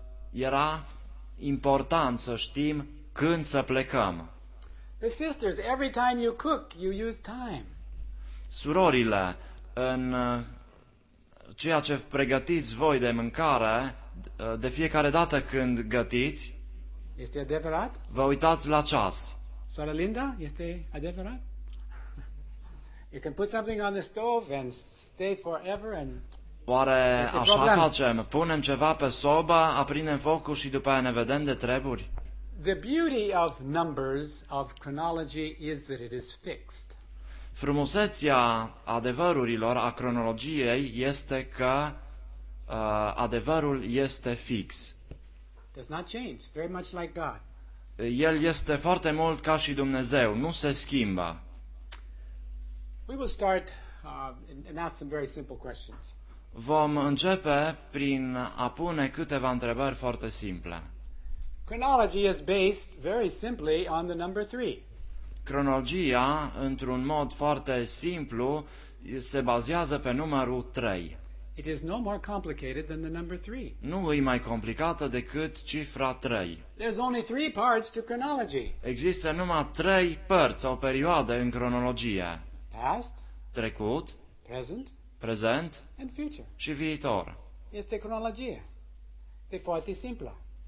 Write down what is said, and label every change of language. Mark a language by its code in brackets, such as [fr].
[ro] Era important să știm când să plecăm. [en] The sisters, every time you cook, you use time. [ro] Surorile, în ceea ce pregătiți voi de mâncare, de fiecare dată când gătiți, este adevărat? Vă uitați la ceas. Sora Linda, este adevărat? [en] You can put something on the stove and stay forever and... [ro] Oare așa facem? Punem ceva pe sobă, aprindem focul și după aia ne vedem de treburi? [en] The beauty of numbers, of chronology, is that it is fixed. [ro] Frumusețea adevărurilor, a cronologiei, este că adevărul este fix. [en] Does not change, very much like God. [ro] El este foarte mult ca și Dumnezeu, nu se schimbă. [en] We will start and ask some very simple questions. [ro] Vom începe prin a pune câteva întrebări foarte simple. [en] Chronology is based very simply on the number 3. [ro] Cronologia, într-un mod foarte simplu, se bazează pe numărul 3. [en] It is no more complicated than the number 3. [ro] Nu e mai complicată decât cifra 3. [en] There's only 3 parts to chronology. [ro] Există numai 3 părți sau perioade în cronologie. [en] Past, [ro] trecut, [en] present, [ro] prezent [en] and future. [ro] Și viitor. Este cronologia. E foarte simplă.